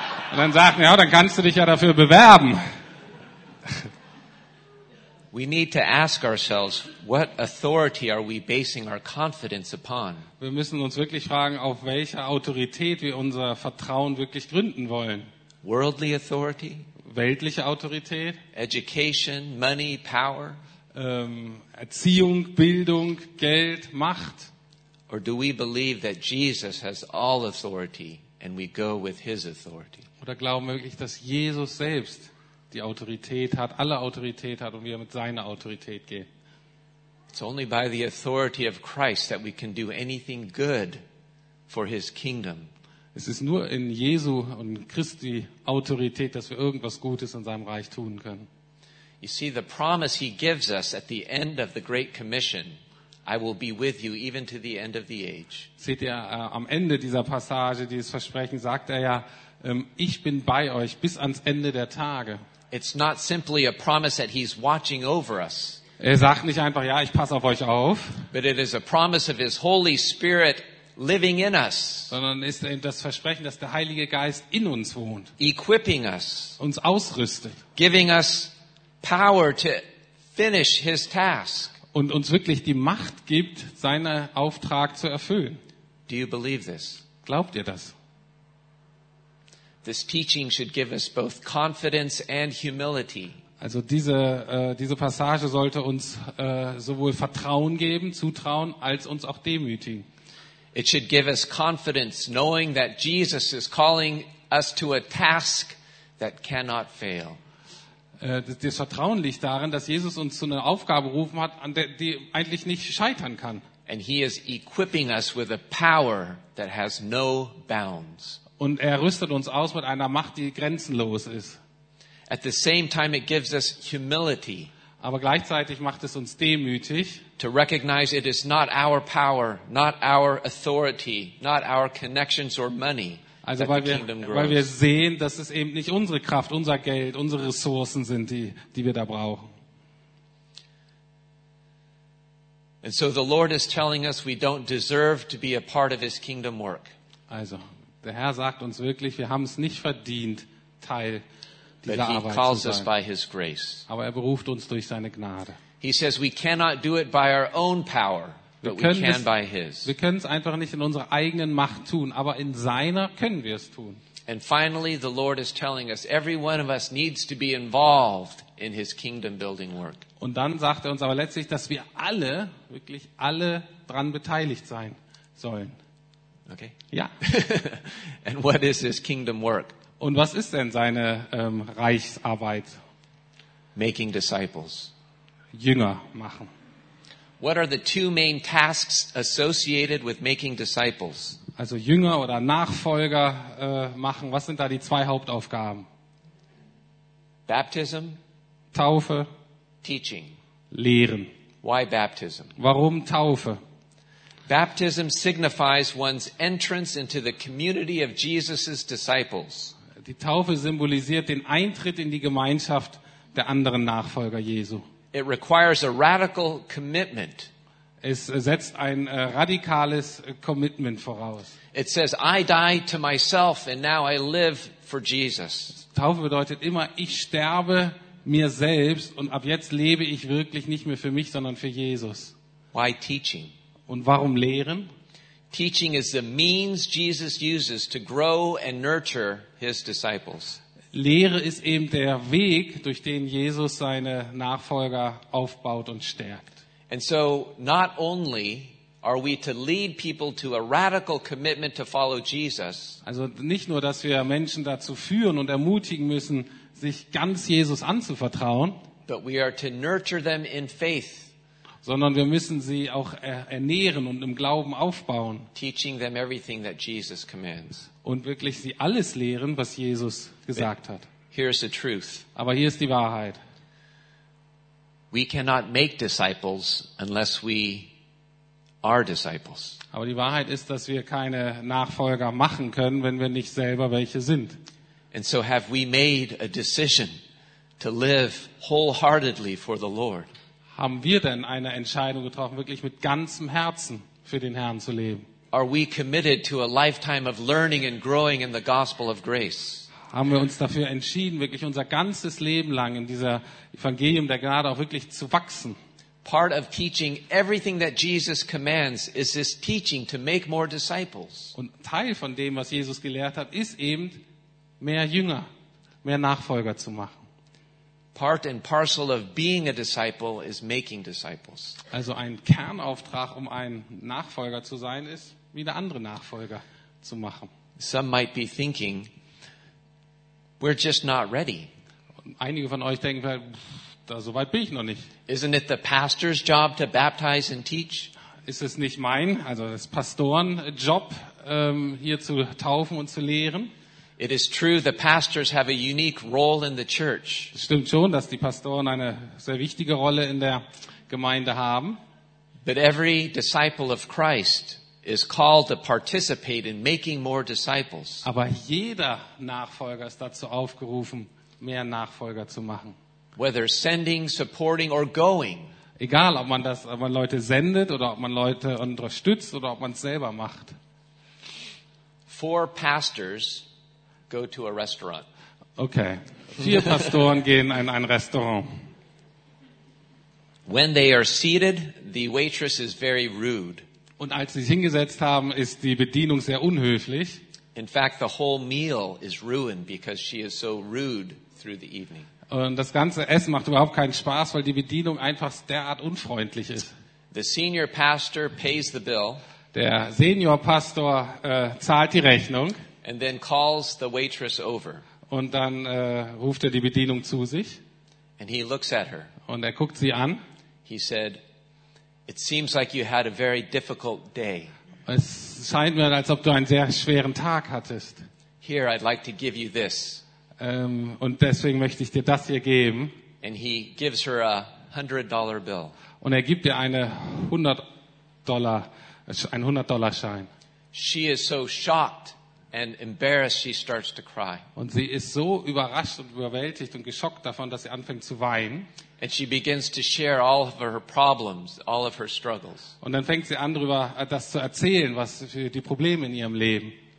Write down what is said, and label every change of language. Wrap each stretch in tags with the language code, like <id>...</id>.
<de>Und dann sagten, ja, dann kannst du dich ja dafür bewerben.</de> <en>We need to ask ourselves, what authority are we basing our confidence upon?</en> <de>Wir müssen uns wirklich fragen, auf welcher Autorität wir unser Vertrauen wirklich gründen wollen.</de> <en>Worldly authority?</en> <de>Weltliche Autorität?</de> <en>Education, money, power?</en> <de>Erziehung, Bildung, Geld, Macht?</de> <en>Or do we believe that Jesus has all authority and we go with his authority?</en> <de>Oder glauben wir wirklich, dass Jesus selbst die Autorität hat, alle Autorität hat und wir mit seiner Autorität gehen?</de> <en>It's only by the authority of Christ that we can do anything good for his kingdom.</en> <de>Es ist nur in Jesu und Christi Autorität, dass wir irgendwas Gutes in seinem Reich tun können.</de> <en>You see, the promise he gives us at the end of the Great Commission, I will be with you even to the end of the age.</en> <de>Seht ihr, am Ende dieser Passage, dieses Versprechen, sagt er ja, ich bin bei euch bis ans Ende der Tage.</de> <en>It's not simply a promise that he's watching over us.</en> <de>Er sagt nicht einfach, ja, ich passe auf euch auf.</de> <en>But it is a promise of his Holy Spirit living in us.</en> <de>Sondern ist eben das Versprechen, dass der Heilige Geist in uns wohnt.</de> <en>Equipping us.</en> <de>Uns ausrüstet.</de> <en>Giving us power to finish his task.</en> <de>Und uns wirklich die Macht gibt, seinen Auftrag zu erfüllen.</de> <en>Do you believe this?</en> <de>Glaubt ihr das?</de> <en>This teaching should give us both confidence and humility.</en> <de>Also diese Passage sollte uns sowohl Vertrauen geben, zutrauen, als uns auch demütigen.</de> <en>It should give us confidence knowing that Jesus is calling us to a task that cannot fail.</en> <de>Das Vertrauen liegt darin, dass Jesus uns zu einer Aufgabe gerufen hat, an der die eigentlich nicht scheitern kann.</de> <en>And he is equipping us with a power that has no bounds.</en> <de>Und er rüstet uns aus mit einer Macht, die grenzenlos ist.</de> <en>At the same time it gives us humility.</en> <de>Aber gleichzeitig macht es uns demütig.</de> <en>To recognize it is not our power, not our authority, not our connections or money.</en> <de>Also weil wir sehen, dass es eben nicht unsere Kraft, unser Geld, unsere Ressourcen sind, die wir da brauchen.</de> <en>And so the Lord is telling us we don't deserve to be a part of his kingdom work.</en> <de>Also der Herr sagt uns wirklich, wir haben es nicht verdient, Teil dieser Arbeit zu sein.</de> <en>Calls us by his grace.</en> <de>Aber er beruft uns durch seine Gnade.</de> <en>He says we cannot do it by our own power, but we can by his.</en> <de>Wir können es einfach nicht in unserer eigenen Macht tun, aber in seiner können wir es tun.</de> <en>And finally the Lord is telling us every one of us needs to be involved in his kingdom building work.</en> <de>Und dann sagt er uns aber letztlich, dass wir alle, wirklich alle dran beteiligt sein sollen. Okay. Ja.</de> <en>And what is his kingdom work?</en> <de>Und was ist denn seine Reichsarbeit?</de> <en>Making disciples.</en> <de>Jünger machen.</de> <en>What are the two main tasks associated with making disciples?</en> <de>Also Jünger oder Nachfolger machen, was sind da die zwei Hauptaufgaben?</de> <en>Baptism.</en> <de>Taufe.</de> <en>Teaching.</en> <de>Lehren.</de> <en>Why baptism?</en> <de>Warum Taufe?</de> <en>Baptism signifies one's entrance into the community of Jesus' disciples.</en> <de>Die Taufe symbolisiert den Eintritt in die Gemeinschaft der anderen Nachfolger Jesu.</de> <en>It requires a radical commitment.</en> <de>Es setzt ein radikales Commitment voraus.</de> <en>It says, I die to myself and now I live for Jesus.</en> <de>Taufe bedeutet immer, ich sterbe mir selbst und ab jetzt lebe ich wirklich nicht mehr für mich, sondern für Jesus.</de> <en>Why teaching?</en> <de>Und warum lehren?</de> <en>Teaching is the means Jesus uses to grow and nurture his disciples.</en> <de>Lehre ist eben der Weg, durch den Jesus seine Nachfolger aufbaut und stärkt.</de> <en>And so not only are we to lead people to a radical commitment to follow Jesus.</en> <de>Also nicht nur, dass wir Menschen dazu führen und ermutigen müssen, sich ganz Jesus anzuvertrauen,</de> <en>but we are to nurture them in faith.</en> <de>sondern wir müssen sie auch ernähren und im Glauben aufbauen.</de> <en>Teaching them everything that Jesus commands.</en> <de>Und wirklich sie alles lehren, was Jesus gesagt hat.</de> <en>Here's the truth.</en> <de>Aber hier ist die Wahrheit.</de> <en>We cannot make disciples unless we are disciples.</en> <de>Aber die Wahrheit ist, dass wir keine Nachfolger machen können, wenn wir nicht selber welche sind.</de> <en>And so have we made a decision to live wholeheartedly for the Lord?</en> <de>Haben wir denn eine Entscheidung getroffen, wirklich mit ganzem Herzen für den Herrn zu leben?</de> <en>Are we committed to a lifetime of learning and growing in the gospel of grace?</en> <de>Haben wir uns dafür entschieden, wirklich unser ganzes Leben lang in dieser Evangelium der Gnade auch wirklich zu wachsen?</de> <en>Part of teaching everything that Jesus commands is this teaching to make more disciples.</en> <de>Und Teil von dem, was Jesus gelehrt hat, ist eben mehr Jünger, mehr Nachfolger zu machen.</de> <en>Part and parcel of being a disciple is making disciples.</en> <de>Also ein Kernauftrag, um ein Nachfolger zu sein, ist wieder andere Nachfolger zu machen.</de> <en>Some might be thinking, we're just not ready.</en> <de>Einige von euch denken vielleicht, so weit bin ich noch nicht.</de> <en>Isn't it the pastor's job to baptize and teach?</en> <de>Ist es nicht mein, also das Pastorenjob, hier zu taufen und zu lehren?</de> <en>It is true the pastors have a unique role in the church.</en> <de>Es stimmt schon, dass die Pastoren eine sehr wichtige Rolle in der Gemeinde haben.</de> <en>But every disciple of Christ is called to participate in making more disciples.</en> <de>Aber jeder Nachfolger ist dazu aufgerufen, mehr Nachfolger zu machen.</de> <en>Whether sending, supporting or going.</en> <de>Egal, ob man Leute sendet oder ob man Leute unterstützt oder ob man es selber macht.</de> <en>4 pastors go to a restaurant. Okay.</en> <de>4 Pastoren gehen in ein Restaurant.</de> <en>When they are seated, the waitress is very rude.</en> <de>Und als sie sich hingesetzt haben, ist die Bedienung sehr unhöflich.</de> <en>In fact, the whole meal is ruined because she is so rude through the evening.</en> <de>Und das ganze Essen macht überhaupt keinen Spaß, weil die Bedienung einfach derart unfreundlich ist.</de> <en>The senior pastor pays the bill.</en> <de>Der Senior Pastor zahlt die Rechnung.</de> <en>And then calls the waitress over.</en> <de>Und dann ruft er die Bedienung zu sich.</de> <en>And he looks at her.</en> <de>Und er guckt sie an.</de> <en>He said, "It seems like you had a very difficult day."</en> <de>Es scheint mir, als ob du einen sehr schweren Tag hattest.</de> <en>"Here, I'd like to give you this."</en> <de>Und deswegen möchte ich dir das hier geben.</de> <en>And he gives her a $100 bill.</en> <de>Und er gibt ihr einen 100-Dollar Schein.</de> <en>She is so shocked and embarrassed, she starts to cry.</en> <de>Und sie ist so überrascht und überwältigt und geschockt davon, dass sie anfängt zu weinen.</de> <en>And she begins to share all of her problems, all of her struggles.</en> <de>Und dann fängt sie an, darüber das zu erzählen, was für die Probleme in ihrem Leben.</de>